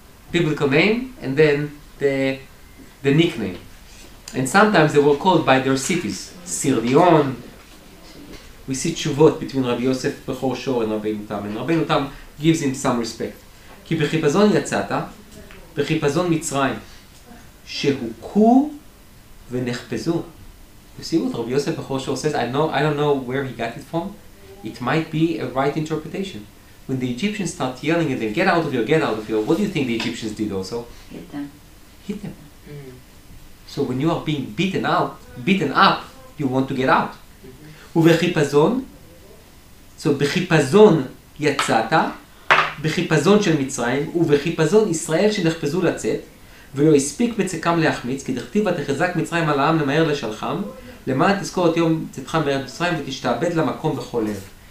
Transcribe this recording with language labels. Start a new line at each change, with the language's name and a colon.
English: Biblical name, and then the nickname. And sometimes they were called by their cities, Sirleon. We see tshuvot between Rabbi Yosef Bechor Shor and Rabbeinu Tam, and Rabbeinu Tam gives him some respect.
Hebrew: Ki bechipazon yatzata, בחיפזון מצרים, שהוקו ונחפזו.
English: You see what Rabbi Yosef Bechosho says? I don't know where he got it from. It might be a right interpretation. When the Egyptians start yelling at them, get out of here, get out of here, what do you think the Egyptians did also? Hit them. Mm. So when you are being beaten up, you want to get out.
Hebrew: ובחיפזון, so בחיפזון יצאת, בחיפזון של מצרים, ובחיפזון ישראל שנחפזו לצאת, ולא הספיק בצקם להחמיץ, כי דכתיבה תחזק מצרים על העם למהר לשלחם, למען תזכור את יום צאתך מארץ מצרים ותשתעבד למקום בכל לב.